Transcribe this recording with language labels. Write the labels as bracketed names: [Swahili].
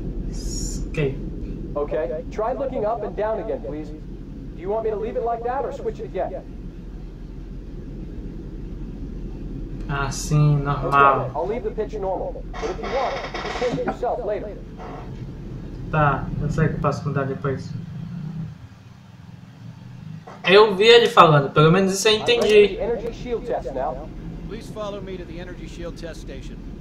[English] Escape. Okay, try looking up and down again, please. Do you want me to leave it like that or switch it again? [Portuguese] Ah, sim, normal. [English] Okay, I'll leave the pitch normal, but if you want, you can change it yourself later. [Portuguese] Tá, eu sei que posso mudar depois. Eu vi ele falando, pelo menos isso eu entendi. [English] Energy shield test now. Please follow me to the energy shield test station.